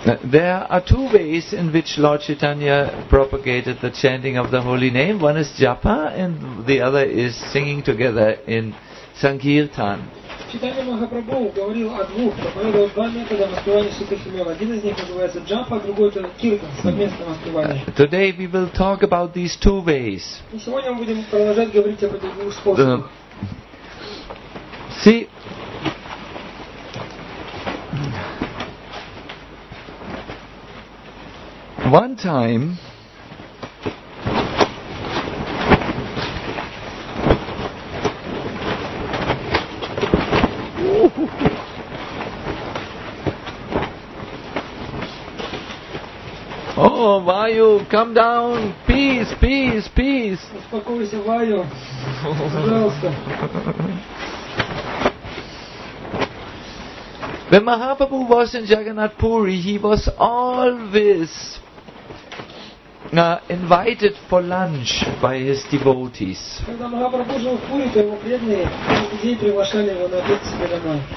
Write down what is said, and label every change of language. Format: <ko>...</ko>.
<en>There are two ways in which Lord Chaitanya propagated the chanting of the holy name. One is japa and the other is singing together in Sankirtan.</en> <ru>Читание Махапрабху говорил о двух, проповедовал два метода воспевания святых имен. Один из них называется джапа, а другой это киртан, совместное воспевание.</ru> <en>Today we will talk about these two ways.</en> <ru>И сегодня мы будем продолжать говорить об этих двух способах.</ru> <en>See, one time Oh, Vayu, come down. Peace, peace, peace.</en> <ru>Успокойся, Ваю. Пожалуйста.</ru> <en>When Mahaprabhu was in Jagannath Puri, he was always invited for lunch by his devotees.</en> <ru>Когда Махапрабху жил в Пури, то его преданные каждый день приглашали его на обед себе домой.</ru>